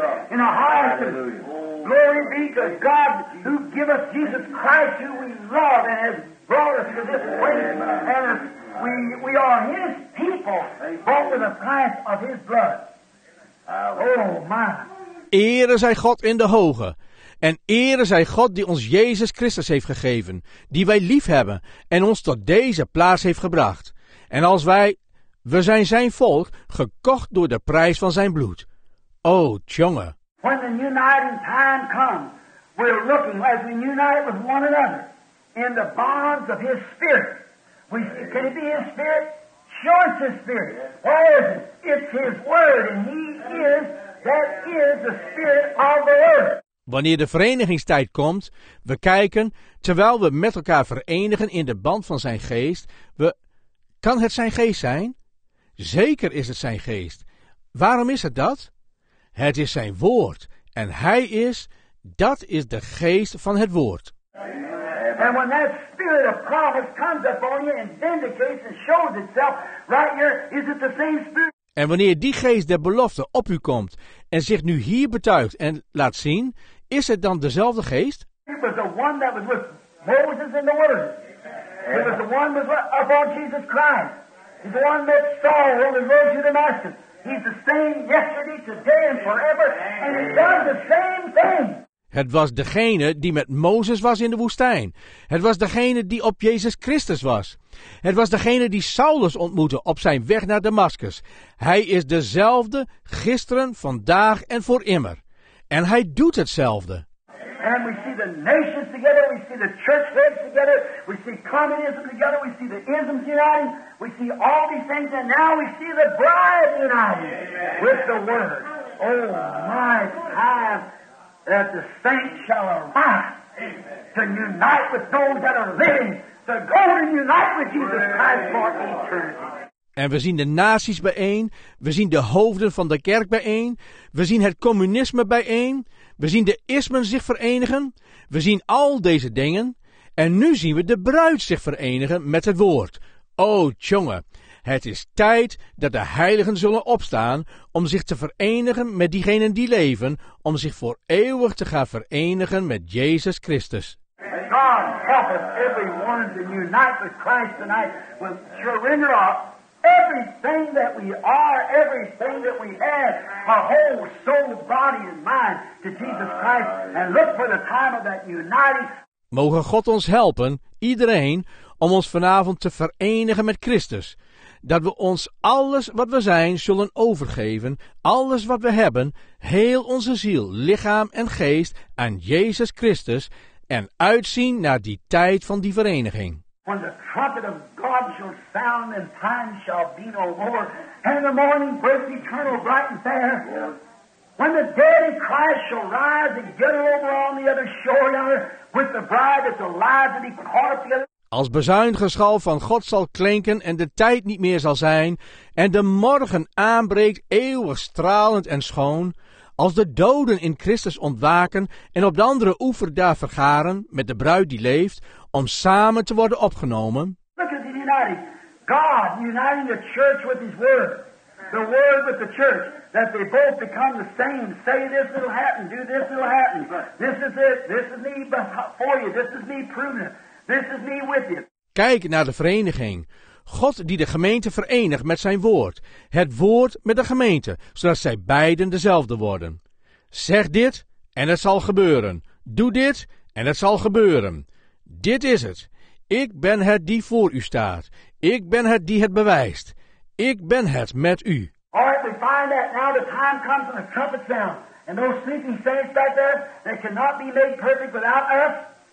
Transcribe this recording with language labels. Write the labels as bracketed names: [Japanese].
[English] In the highest of glory be to God who give us Jesus Christ who we love and has brought us to this place. And we are his people, bought with the price of his blood. Oh my. [Dutch] Ere zij God in de hoge. En ere zij God die ons Jezus Christus heeft gegeven, die wij lief hebben en ons tot deze plaats heeft gebracht. En als wij... We zijn zijn volk, gekocht door de prijs van zijn bloed. O, tjonge. [English] When the uniting time comes, we're looking as we unite with one another in the bonds of his spirit. We see, can it be his spirit? Sure, it's his spirit. What is it? It's his word, and he is, that is the spirit of the word. [Dutch] Wanneer de verenigingstijd komt, we kijken, terwijl we met elkaar verenigen in de band van zijn geest, kan het zijn geest zijn? Zeker is het zijn geest. Waarom is het dat? Het is zijn woord. En hij is, dat is de geest van het woord. [English] And when that spirit of promise comes upon you and vindicates and shows itself, right here, is it the same spirit? [Dutch] En wanneer die geest der belofte op u komt en zich nu hier betuigt en laat zien, is het dan dezelfde geest? [English] It was the one that was with Moses in the wilderness. It was the one that was upon Jesus Christ. He's the one that Saul on the road to Damascus. He's the same yesterday, today and forever. And he does the same thing. [Dutch] Het was degene die met Mozes was in de woestijn. Het was degene die op Jezus Christus was. Het was degene die Saulus ontmoette op zijn weg naar Damascus. Hij is dezelfde gisteren, vandaag en voor immer. En hij doet hetzelfde. [English] And we see the nations together, we see the church heads together, we see communism together, we see the isms uniting, we see all these things, and now we see the bride uniting. Amen. With the word. Oh my time, that the saints shall arise to unite with those that are living, to go and unite with Jesus Christ for eternity. [Dutch] En we zien de naties bijeen, we zien de hoofden van de kerk bijeen, we zien het communisme bijeen, we zien de ismen zich verenigen, we zien al deze dingen en nu zien we de bruid zich verenigen met het woord. O tjonge, het is tijd dat de heiligen zullen opstaan om zich te verenigen met diegenen die leven, om zich voor eeuwig te gaan verenigen met Jezus Christus. [English] God, help us, every one, to unite with Christ tonight. We'll surrender up everything that we are, everything that we have, our whole soul, body, and mind to Jesus Christ, and look for the time of that uniting. [Dutch] Mogen God ons helpen, iedereen, om ons vanavond te verenigen met Christus. Dat we ons alles wat we zijn zullen overgeven, alles wat we hebben, heel onze ziel, lichaam en geest aan Jezus Christus en uitzien naar die tijd van die vereniging. [English] When the trumpet of God shall sound and time shall be no more, and the morning burst eternal bright and fair. When the dead in Christ shall rise and get over on the other shore yonder with the bride that's alive to be caught up together. [Dutch] Als bezuingeschal van God zal klinken en de tijd niet meer zal zijn, en de morgen aanbreekt eeuwig stralend en schoon, als de doden in Christus ontwaken en op de andere oever daar vergaren met de bruid die leeft, om samen te worden opgenomen. [English] Look at the uniting. God uniting the church with his word. The word with the church. That they both become the same. Say this will happen, do this will happen. This is it, this is me before you, this is me proving it. This is me with you. [Dutch] Kijk naar de vereniging. God die de gemeente verenigt met zijn woord. Het woord met de gemeente, zodat zij beiden dezelfde worden. Zeg dit en het zal gebeuren. Doe dit en het zal gebeuren. Dit is het. Ik ben het die voor u staat. Ik ben het die het bewijst. Ik ben het met u. [English] All right, we find that now the time comes and the trumpet sound. And those sleeping saints back there, they cannot be made perfect without us.